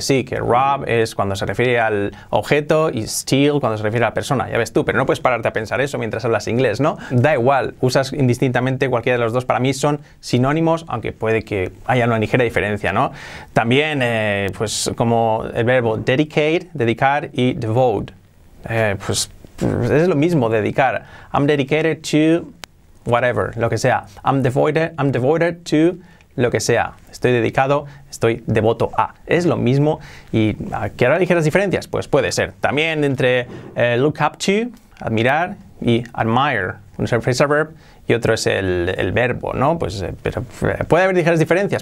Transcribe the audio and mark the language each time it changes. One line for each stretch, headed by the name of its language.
Spanish: Sí, que rob es cuando se refiere al objeto y steal cuando se refiere a la persona, ya ves tú, pero no puedes pararte a pensar eso mientras hablas inglés, ¿no? Da igual, usas indistintamente cualquiera de los dos, para mí son sinónimos, aunque puede que haya una ligera diferencia, ¿no? También, pues, como el verbo dedicar y devote. Pues, es lo mismo, dedicar.
English: I'm dedicated to whatever,
Spanish: lo que sea.
English: I'm devoted to
Spanish: lo que sea. Estoy dedicado, estoy devoto a. Es lo mismo. ¿Y qué hará ligeras diferencias? Pues puede ser. También entre look up to, admirar, y admire, un phrase verb. Y otro es el verbo, ¿no? Pues, pero puede haber ligeras diferencias.